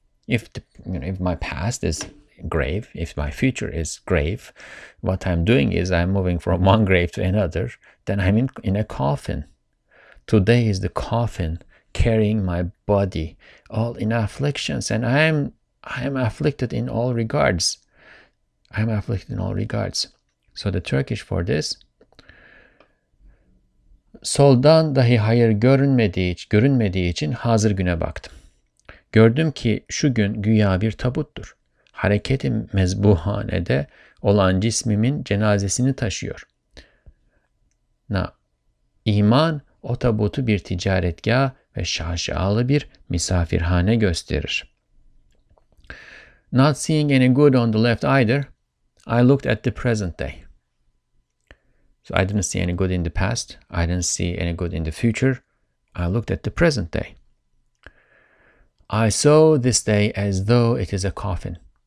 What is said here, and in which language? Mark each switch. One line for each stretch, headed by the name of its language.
English: If my past is grave, if my future is grave, what I'm doing is I'm moving from one grave to another, then I'm in a coffin. Today is the coffin carrying my body all in afflictions, and I'm afflicted in all regards. I'm afflicted in all regards. So the Turkish for this,
Turkish: soldan dahi hayır görünmediği için hazır güne baktım. Gördüm ki şu gün güya bir tabuttur. Hareket-i mezbuhanede olan cismimin cenazesini taşıyor. Now, iman o tabutu bir ticaretgâh ve şaşalı bir misafirhane gösterir.
English: Not seeing any good on the left either, I looked at the present day. So I didn't see any good in the past. I didn't see any good in the future. I looked at the present day. I saw this day as though it is a coffin.